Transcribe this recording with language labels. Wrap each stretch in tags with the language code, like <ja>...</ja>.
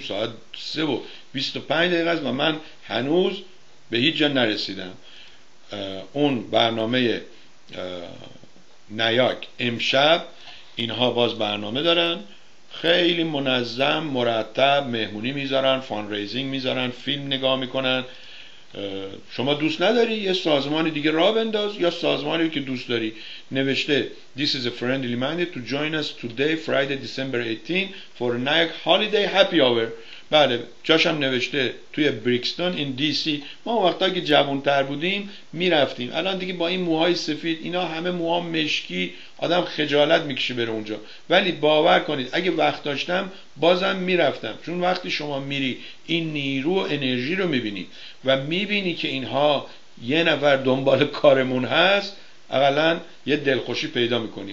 <fa>ساعت 3:25 است و من هنوز به هیچ جا نرسیدم. اون برنامه نیاک امشب، اینها باز برنامه دارن، خیلی منظم مرتب مهمونی میذارن، فان ریزینگ میذارن، فیلم نگاه میکنن. شما دوست نداری یه سازمانی دیگه را بنداز، یا سازمانی که دوست داری نوشته</fa> <en>This is a friendly mandate to join us today Friday December 18 for a night holiday happy hour.</en> <fa>بله جاشم نوشته توی بریکستون این دی سی. ما وقتا که جوانتر بودیم میرفتیم، الان دیگه با این موهای سفید اینا همه موها مشکی آدم خجالت میکشه بره اونجا، ولی باور کنید اگه وقت داشتم بازم میرفتم. چون وقتی شما میری این نیرو و انرژی رو میبینی و میبینی که اینها یه نفر دنبال کارمون هست، اقلا یه دلخوشی پیدا میکنی.</fa>